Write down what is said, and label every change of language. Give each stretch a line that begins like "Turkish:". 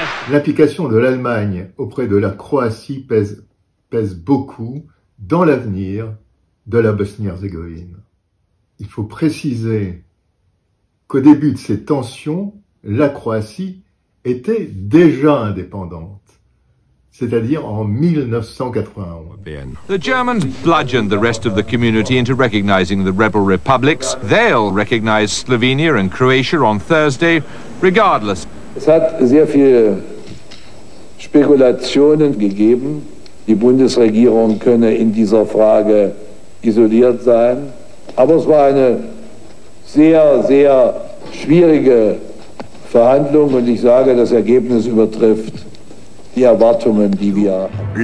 French: L'implication de l'Allemagne auprès de la Croatie pèse beaucoup dans l'avenir de la Bosnie-Herzégovine. Il faut préciser qu'au début de ces tensions, la Croatie était déjà indépendante, c'est-à-dire en 1991.
English: The Germans bludgeoned the rest of the community into recognizing the rebel republics. They'll recognize Slovenia and Croatia on Thursday, regardless.
German: Es hat sehr viel Spekulationen gegeben. Die Bundesregierung könne in dieser Frage isoliert sein. Aber es war eine sehr, sehr schwierige Verhandlung und ich sage, das Ergebnis übertrifft die Erwartungen, die wir haben.